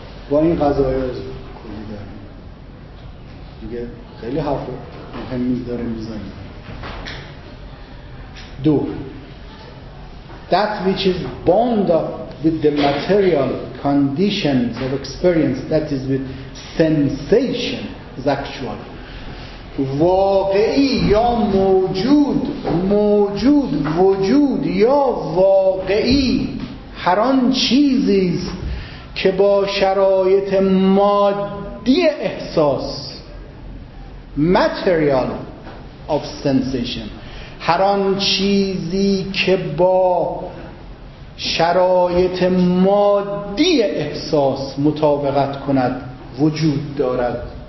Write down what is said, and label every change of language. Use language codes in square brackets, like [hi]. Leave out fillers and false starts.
[fa] با این قضایای کلی در دیگه خیلی حرف مهمی داره میزنیم. دو، [en] that which is bound up with the material conditions of experience, that is with sensation, is actual. [fa] واقعی یا موجود، موجود، وجود یا واقعی، هر آن چیزی است که با شرایط مادی احساس، [en] material of sensation، [fa] هر آن چیزی که با شرایط مادی احساس مطابقت کند وجود دارد.